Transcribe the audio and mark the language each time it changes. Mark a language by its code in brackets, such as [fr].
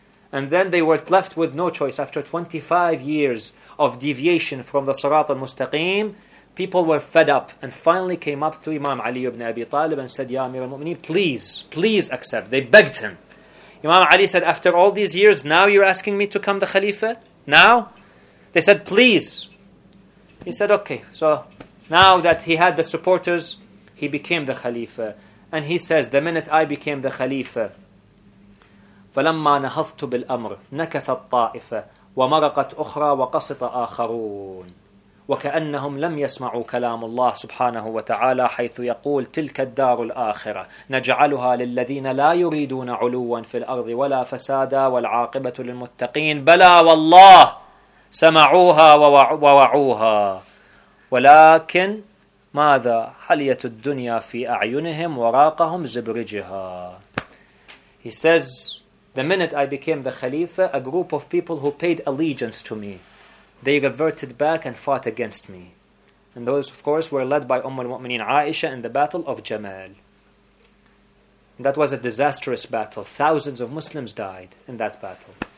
[en] And then they were left with no choice. After 25 years of deviation from the Sirat al-Mustaqim, people were fed up and finally came up to Imam Ali ibn Abi Talib and said, Ya Amir al-Mu'mineen, please accept. They begged him. Imam Ali said, after all these years, now you're asking me to come the Khalifa? Now? They said, please. He said, okay. So now that he had the supporters, he became the Khalifa. And he says, the minute I became the Khalifa, [ar] فَلَمَّا نَهَضْتُ بِالْأَمْرِ نَكَثَ الطَّائِفَةِ وَمَرَقَتْ أُخْرَى وَقَصِطَ آخَرُونَ وَكَأَنَّهُمْ لَمْ يَسْمَعُوا كَلَامُ اللَّهِ سُبْحَانَهُ وَتَعَالَى حَيْثُ يَقُولُ تِلْكَ الدَّارُ الْآخِرَةُ نَجْعَلُهَا لِلَّذِينَ لَا يُرِيدُونَ عُلُوًّا فِي الْأَرْضِ وَلَا فَسَادًا وَالْعَاقِبَةُ لِلْمُتَّقِينَ بَلَى وَاللَّهِ سَمَعُوهَا وَوَعُوهَا وَلَكِنْ مَاذَا حَلِيَةُ الدُّنْيَا فِي أَعْيُنِهِمْ وَرَاقَهُمْ زِبْرِجِهَا. [en] He says, the minute I became the Khalifa, a group of people who paid allegiance to me, they reverted back and fought against me. And those, of course, were led by Umm al-Mu'mineen Aisha in the Battle of Jamal. And that was a disastrous battle. Thousands of Muslims died in that battle.